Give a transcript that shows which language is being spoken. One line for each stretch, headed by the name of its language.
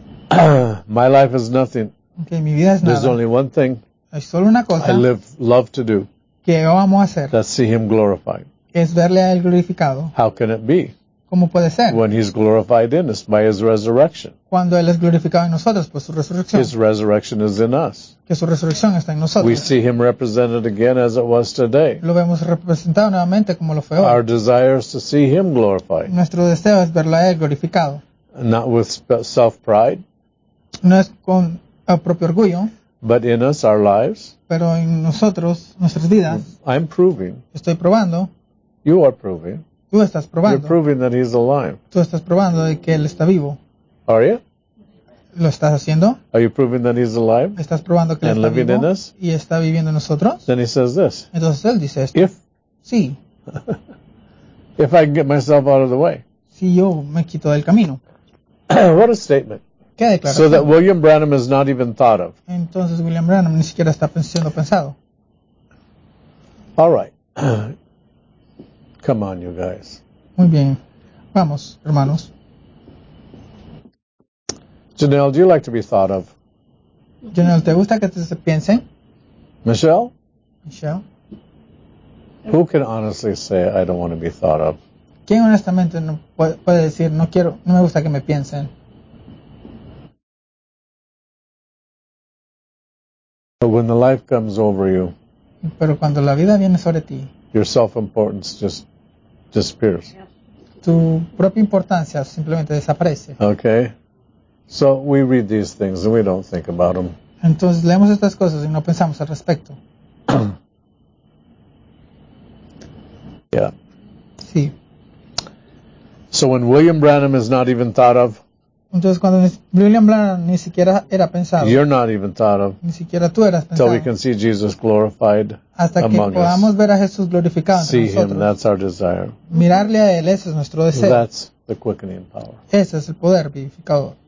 English: Hoffman. My life is nothing.
Spanish: Okay, mi vida es
English: There's There's only one thing.
Spanish: Hay solo una cosa.
English: I live, love to do.
Spanish: Que yo amo hacer.
English: That's see him glorified.
Spanish: Es verle a él glorificado.
English: How can it be?
Spanish: ¿Cómo puede ser?
English: When he's glorified in us by his resurrection.
Spanish: Cuando él es glorificado en nosotros por su resurrección.
English: His resurrection is in us.
Spanish: Que su resurrección está en nosotros.
English: We see him represented again as it was today.
Spanish: Lo vemos representado nuevamente como lo fue hoy.
English: Our desire is to see him glorified.
Spanish: Nuestro deseo es verlo a él glorificado.
English: Not with self-pride.
Spanish: No es con el propio orgullo.
English: But in us, our lives.
Spanish: Pero en nosotros, nuestras vidas.
English: I'm proving.
Spanish: Estoy probando.
English: You are proving.
Spanish: Tú estás probando.
English: You're proving that he's alive.
Spanish: Tú estás probando de que él está vivo.
English: Are you?
Spanish: ¿Lo estás haciendo?
English: Are you proving that he's alive?
Spanish: ¿Estás probando que
English: and
Spanish: él está
English: living
Spanish: vivo?
English: In us?
Spanish: ¿Y está viviendo en nosotros?
English: Then he says this.
Spanish: Entonces él dice esto.
English: If.
Spanish: Sí.
English: If I can get myself out of the way.
Spanish: Si yo me quito del camino.
English: What a statement.
Spanish: ¿Qué declaración?
English: So that William Branham is not even thought of.
Spanish: Entonces William Branham ni siquiera está siendo pensado.
English: All right. Come on, you guys.
Spanish: Muy bien. Vamos, hermanos.
English: Janelle, do you like to be thought of?
Spanish: Janelle, ¿te gusta que te se piense?
English: Michelle?
Spanish: Michelle?
English: Who can honestly say, I don't want to be thought of?
Spanish: ¿Quién honestamente no puede decir, no quiero, no me gusta que me piensen?
English: But when the life comes over you,
Spanish: pero cuando la vida viene sobre ti,
English: your self-importance just disappears.
Spanish: Tu propia importancia simplemente desaparece.
English: Okay. So we read these things and we don't think about them.
Spanish: Entonces leemos estas cosas y no pensamos al respecto.
English: Yeah.
Spanish: Sí.
English: So when William Branham is not even thought of,
Spanish: entonces cuando William Branham ni siquiera era pensado,
English: you're not even thought of,
Spanish: ni siquiera tú eras pensado,
English: till we can see Jesus glorified
Spanish: hasta que
English: among
Spanish: podamos
English: us.
Spanish: Ver a Jesús glorificado entre
English: see
Spanish: nosotros.
English: Him, that's our desire.
Spanish: Mirarle a él, ese es nuestro deseo.
English: That's the quickening power.
Spanish: Ese es el poder vivificador.